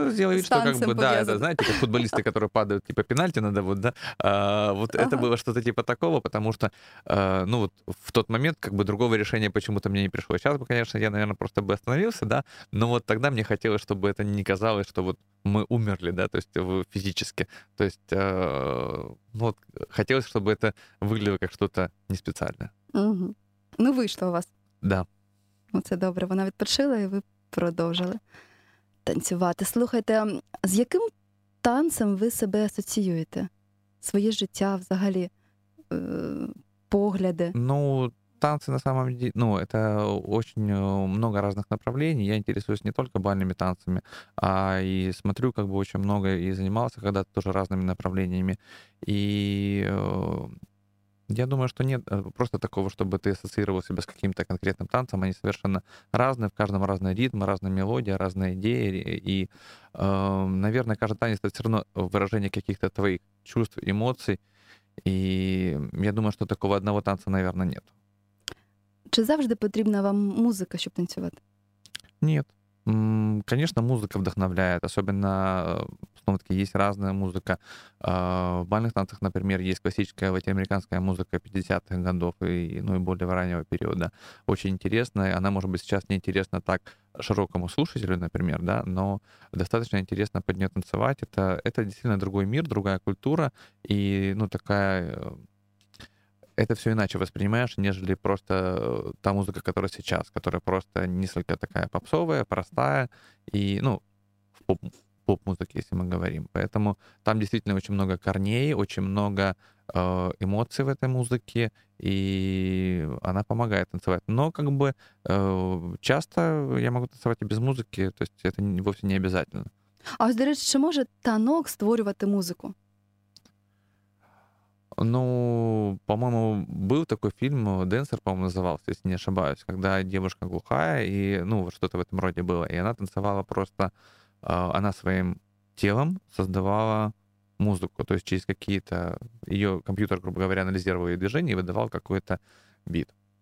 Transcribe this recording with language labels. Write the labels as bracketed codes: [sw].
[ru] Нет, я сделал вид, что как бы, да, это, знаете, как футболисты, которые падают, типа пенальти надо вот, да, вот ага. Это было что-то типа такого, потому что, ну, вот в тот момент как бы другого решения почему-то мне не пришло. Сейчас бы, конечно, я, наверное, просто бы остановился, да, но вот тогда мне хотелось, чтобы это не казалось, что вот мы умерли, да, то есть физически, то есть вот хотелось, чтобы это выглядело как что-то неспециальное. Угу. Ну, вышло у вас. Да. [uk] Ну, це добре, вона відпочила, і ви продовжили танцювати. Слухайте, з яким танцем ви себе асоціюєте? Своє життя, взагалі, погляди? [ru] Ну, танцы на самом деле, ну, это очень много разных направлений. Я интересуюсь не только бальными танцами, а и смотрю как бы очень много и занимался когда-то тоже разными направлениями. И я думаю, что нет просто такого, чтобы ты ассоциировал себя с каким-то конкретным танцем. Они совершенно разные, в каждом разные ритмы, разные мелодии, разные идеи. И, наверное, каждый танец — это все равно выражение каких-то твоих чувств, эмоций. И я думаю, что такого одного танца, наверное, нет. [uk] Чи завжди потрібна вам музика, щоб танцювати? Ні. [ru] Конечно, музыка вдохновляет, особенно, снова-таки, есть разная музыка. В бальных танцах, например, есть классическая латиноамериканская музыка 50-х годов и, ну, и более раннего периода. Очень интересная, она, может быть, сейчас неинтересна так широкому слушателю, например, да, но достаточно интересно под нее танцевать. Это действительно другой мир, другая культура, и, ну, такая... Это все иначе воспринимаешь, нежели просто та музыка, которая сейчас, которая просто несколько такая попсовая, простая, и, ну, в поп-музыке, если мы говорим. Поэтому там действительно очень много корней, очень много эмоций в этой музыке, и она помогает танцевать. Но как бы часто я могу танцевать и без музыки, то есть это вовсе не обязательно. [uk] А ось, до речі, чи може танок створювати музику? [ru] Ну, по-моему, был такой фильм, «Денсер», по-моему, назывался, если не ошибаюсь, когда девушка глухая, и, ну, что-то в этом роде было, и она танцевала просто, она своим телом создавала музыку, то есть через какие-то, ее компьютер, грубо говоря, анализировал ее движения и выдавал какой-то бит.